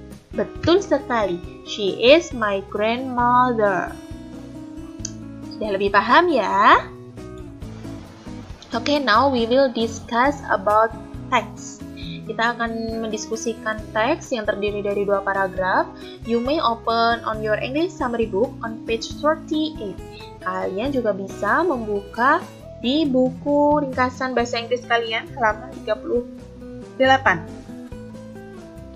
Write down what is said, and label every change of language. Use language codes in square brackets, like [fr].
[id] Betul sekali. [en] "She is my grandmother." [id] Sudah lebih paham ya? [en] Okay, now we will discuss about text. [id] Kita akan mendiskusikan teks yang terdiri dari dua paragraf. [en] You may open on your English summary book on page 38. [id] Kalian juga bisa membuka di buku ringkasan bahasa Inggris kalian halaman 38.